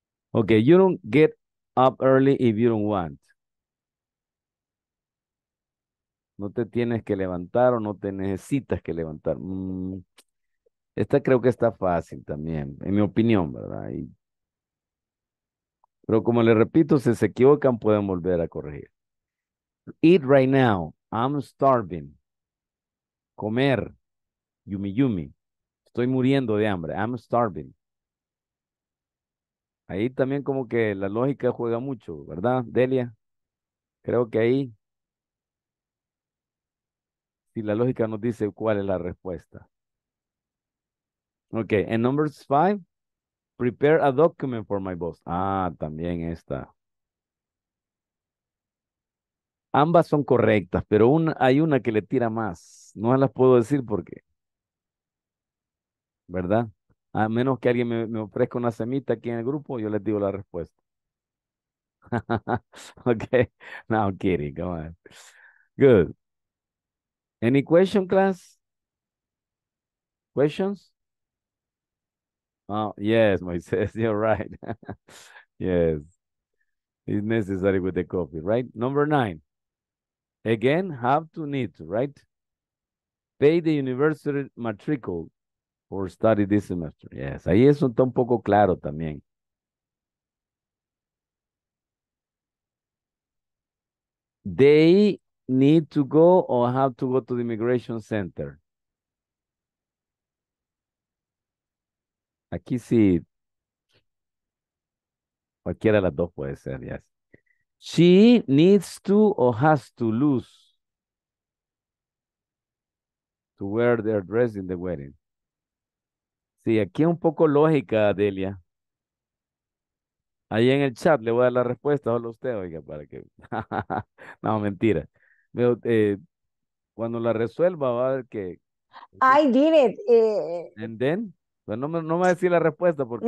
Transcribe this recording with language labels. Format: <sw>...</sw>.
<en>Okay, you don't get up early if you don't want.</en> <es>No te tienes que levantar o no te necesitas que levantar. Esta creo que está fácil también, en mi opinión, ¿verdad? Y, pero como le repito, si se equivocan, pueden volver a corregir.</es> <en>Eat right now. I'm starving. Comer. Yumi yumi.</en> <es>Estoy muriendo de hambre.</es> <en>I'm starving.</en> <es>Ahí también como que la lógica juega mucho, ¿verdad, Delia? Creo que ahí, si la lógica nos dice cuál es la respuesta.</es> <en>Okay, and number five, prepare a document for my boss.</en> <es>Ah, también está. Ambas son correctas, pero hay una que le tira más. No las puedo decir porque, ¿verdad? A menos que alguien me ofrezca una semita aquí en el grupo, yo les digo la respuesta.</es> <en>Okay, no, I'm kidding, come on. Good. Any question, class? Questions? Oh, yes, Moises, you're right. Yes. It's necessary with the coffee, right? Number nine. Again, have to need, right? Pay the university matricule for study this semester.</en> <es>Yes, ahí eso está un poco claro también.</es> <en>They need to go or have to go to the immigration center.</en> <es>Aquí sí. Cualquiera de las dos puede ser,</es> <en>yes. She needs to or has to lose to wear their dress in the wedding.</en> <es>Sí, aquí es un poco lógica, Delia. Ahí en el chat le voy a dar la respuesta, solo usted, oiga, para que... No, mentira. Pero, cuando la resuelva, va a ver que...</es> <en>I did it. And then...</en> <es>Pues no me va a decir la respuesta porque...</es>